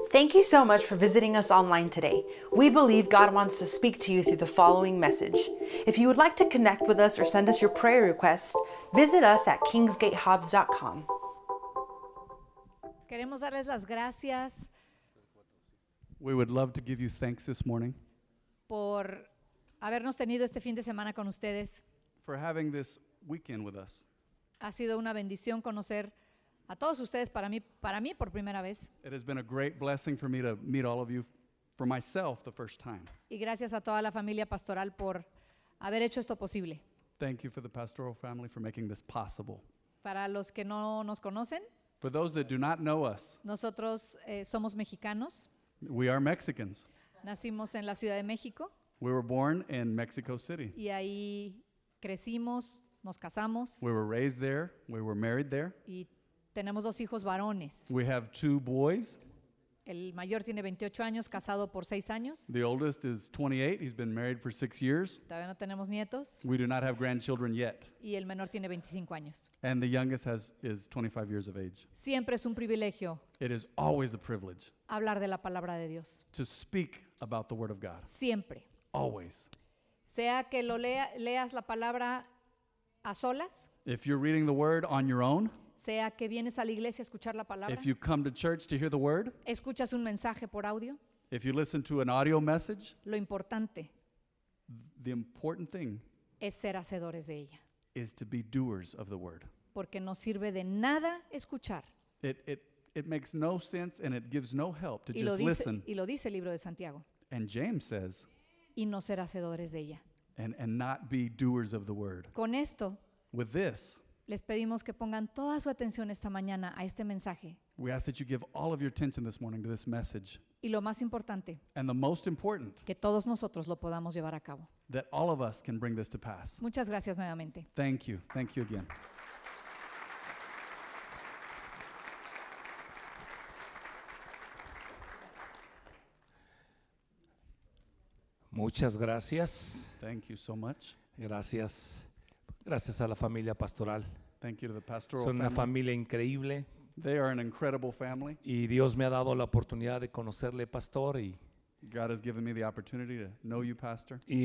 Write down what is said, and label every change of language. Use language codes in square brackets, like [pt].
[en] Thank you so much for visiting us online today. We believe God wants to speak to you through the following message. If you would like to connect with us or send us your prayer request, visit us at kingsgatehobbs.com. [es] Queremos darles las gracias. [en] We would love to give you thanks this morning. [es] Por habernos tenido este fin de semana con ustedes. [en] For having this weekend with us. [es] Ha sido una bendición conocer a todos ustedes para mí por primera vez. [en] It has been a great blessing for me to meet all of you for myself the first time. [es] Y gracias a toda la familia pastoral por haber hecho esto posible. [en] Thank you for the pastoral family for making this possible. [es] Para los que no nos conocen. [en] For those that do not know us. [es] Nosotros somos mexicanos. [en] We are Mexicans. [es] Nacimos en la Ciudad de México. [en] We were born in Mexico City. [es] Y ahí crecimos, nos casamos. [en] We were raised there, we were married there. [es] Y tenemos dos hijos varones. [en] We have two boys. [es] El mayor tiene 28 años, casado por 6 años. [en] The oldest is 28, he's been married for 6 years. [es] Todavía no tenemos nietos. [en] We do not have grandchildren yet. [es] Y el menor tiene 25 años. [en] And the youngest is 25 years of age. [es] Siempre es un privilegio. [en] It is always a privilege. [es] Hablar de la palabra de Dios. [en] To speak about the word of God. [es] Siempre. [en] Always. [es] Sea que lo leas la palabra a solas. [en] If you're reading the word on your own. [es] Sea que vienes a la iglesia a escuchar la palabra. [en] If you come to church to hear the word. [es] Escuchas un mensaje por audio. [en] If you listen to an audio message. [es] Lo importante. [en] The important thing. [es] Es ser hacedores de ella. [en] Is to be doers of the word. [es] Porque no sirve de nada escuchar. [en] It makes no sense and it gives no help to just listen. [es] Y lo dice el libro de Santiago. [en] And James says. [es] Y no ser hacedores de ella. [en] And not be doers of the word. [es] Con esto. [en] With this. [es] Les pedimos que pongan toda su atención esta mañana a este mensaje. [en] We ask that you give all of your attention this morning to this message. [es] Y lo más importante. [en] And the most important. [es] Que todos nosotros lo podamos llevar a cabo. [en] That all of us can bring this to pass. [es] Muchas gracias nuevamente. [en] Thank you. Thank you again. [es] Muchas gracias. [en] Thank you so much. [es] Gracias. Gracias a la familia pastoral. [en] Thank you to the pastoral. [es] Son una familia increíble. [en] They are an incredible family. [es] Y Dios me ha dado la oportunidad de conocerle, pastor. Y [en] God has given me the opportunity to know you, pastor.